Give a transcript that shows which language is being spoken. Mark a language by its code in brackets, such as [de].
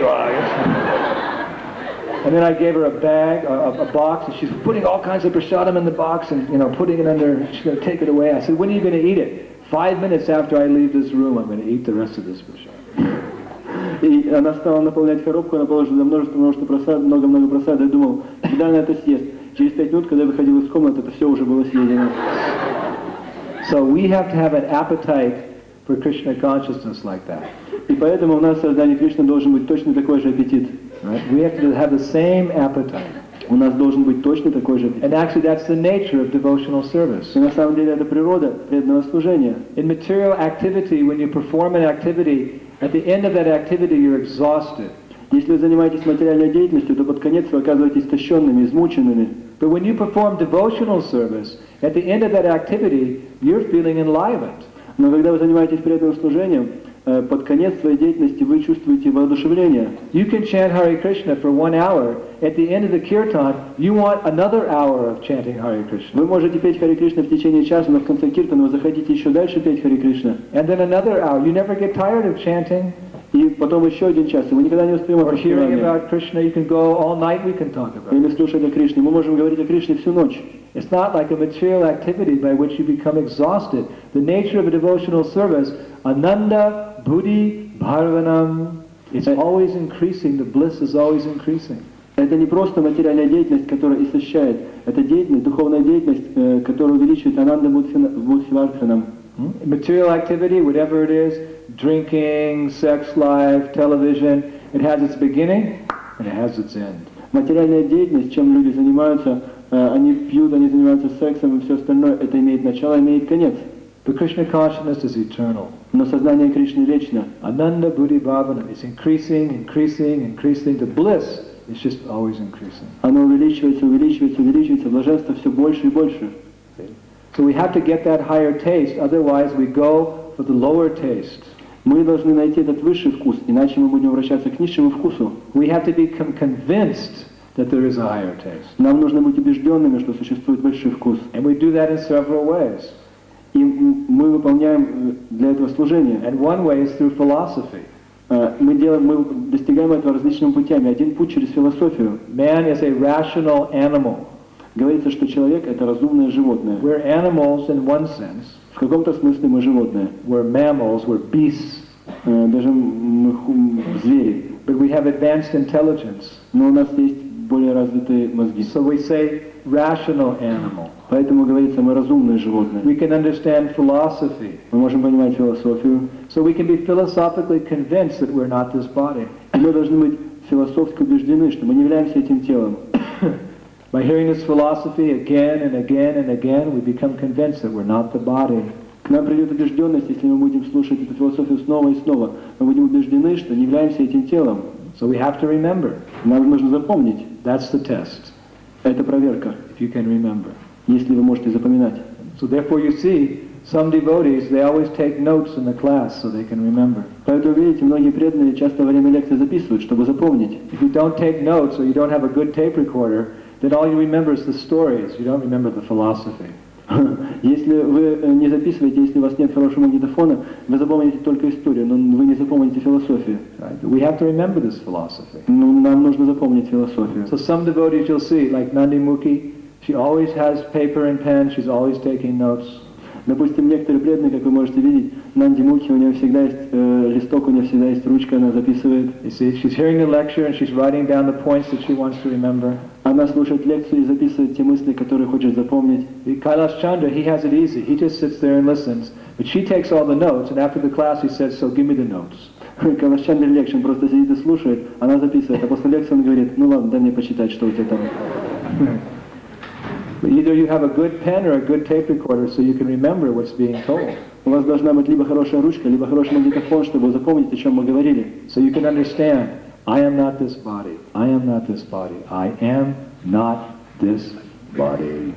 [en] And then I gave her a bag, a box, and she's putting all kinds of prasadam in the box and, you know, putting it under, she's going to take it away. I said, when are you going to eat it? 5 minutes after I leave this room, I'm going to eat the rest of this prasadam. [ru] И она стала наполнять коробку, она положила множество прасад, много прасад, я думал, когда она это съест? Через 5 минут, когда я выходил из комнаты, это все уже было съедено. [en] So we have to have an appetite for Krishna consciousness like that. [ru] И поэтому у нас в сознании Кришны должен быть точно такой же аппетит. [en] Right? We have to have the same appetite. [ru] У нас должен быть точно такой же. [en] And actually, that's the nature of devotional service. [ru] И на самом деле это природа преданного служения. [en] In material activity, when you perform an activity, at the end of that activity, you're exhausted. [ru] Если вы занимаетесь материальной деятельностью, то под конец вы оказываетесь истощенными, измученными. [en] But when you perform devotional service, at the end of that activity, you're feeling enlivened. [ru] Но когда вы занимаетесь преданным служением, под конец своей деятельности вы чувствуете воодушевление. [en] You can chant Hare Krishna for 1 hour. At the end of the kirtan, you want another hour of chanting Hare Krishna. [ru] Вы можете петь Hare Krishna в течение часа, но в конце киртана вы захотите еще дальше петь Hare Krishna. [en] And then another hour. You never get tired of chanting. [ru] И потом еще один час, и вы никогда не успеем обращать внимание. [en] Or hearing about Krishna, you can go all night. We can talk about. [ru] Или слушать о Кришне, мы можем говорить о Кришне всю ночь. [en] It's not like a material activity by which you become exhausted. The nature of a devotional service, ananda buddhi bhavanam, it's always increasing. The bliss is always increasing. [ru] Это не просто материальная деятельность, которая истощает. Это деятельность, духовная деятельность, которая увеличивает ананда буддхи бхавана. [en] Material activity, whatever it is, drinking, sex life, television, it has its beginning and it has its end. [ru] Материальная деятельность, чем люди занимаются, они пьют, они занимаются сексом и все остальное, это имеет начало, имеет конец. [en] But Krishna consciousness is eternal. [ru] Но сознание Кришны вечно. [en] Ananda buddhi bhavanam is increasing. The bliss is just always increasing. [ru] Оно увеличивается, блаженство все больше и больше. [en] So we have to get that higher taste, otherwise we go for the lower taste. [ru] Мы должны найти этот высший вкус, иначе мы будем обращаться к низшему вкусу. [en] We have to become convinced that there is a higher taste. [ru] Нам нужно быть убежденными, что существует высший вкус. [en] And we do that in several ways. [ru] И мы выполняем для этого служение. [en] And one way is through philosophy. [ru] Мы достигаем этого различными путями. Один путь через философию. [en] Man is a rational animal. [ru] Говорится, что человек — это разумное животное. [en] We're animals in one sense. [ru] В каком-то смысле мы животные. [en] We're mammals, we're beasts. [ru] Даже мы звери. [en] But we have advanced intelligence. [ru] Но у нас есть более развитые мозги. [en] So we say rational animal. [ru] Поэтому говорится, мы разумные животные. [en] We can understand philosophy. [ru] Мы можем понимать философию. [en] So we can be philosophically convinced that we're not this body. [ru] И мы должны быть философски убеждены, что мы не являемся этим телом. [en] By hearing this philosophy again and again and again, we become convinced that we're not the body. [ru] К нам придет убежденность, если мы будем слушать эту философию снова и снова. Мы будем убеждены, что не являемся этим телом. [en] So we have to remember. [ru] Нам нужно запомнить. [en] That's the test. [ru] Это проверка. [en] If you can remember. [ru] Если вы можете запоминать. [en] So therefore you see, some devotees, they always take notes in the class so they can remember. [ru] Поэтому видите, многие преданные часто во время лекции записывают, чтобы запомнить. [en] If you don't take notes or you don't have a good tape recorder, then all you remember is the stories. You don't remember the philosophy. [ru] Если вы не записываете, если у вас нет хорошего магнитофона, вы запомните только историю, но вы не запомните философию. [en] Right. We have to remember this philosophy. [ru] Ну, нам нужно запомнить философию. [en] So some devotees you'll see, like Nandi Mukhi, she always has paper and pen, she's always taking notes. [ru] Допустим, некоторые преданные, как вы можете видеть, Нанди Мукхи, у нее всегда есть листок, у нее всегда есть ручка, она записывает. [en] You see, she's hearing the lecture and she's writing down the points that she wants to remember. [ru] Она слушает лекцию и записывает те мысли, которые хочет запомнить. [en] Кайлас Чандра, he has it easy. He just sits there and listens. But she takes all the notes, and after the class he says, so give me the notes. [ru] Кайлас Чандра лекцию просто сидит и слушает, она записывает, а после лекции он говорит, ну ладно, дай мне почитать, что у тебя там. [en] Either you have a good pen or a good tape recorder so you can remember what's being told. [ru] У вас должна быть либо хорошая ручка, либо хороший магнитофон, чтобы запомнить, о чем мы говорили. [en] So you can understand, I am not this body, I am not this body, I am not this body.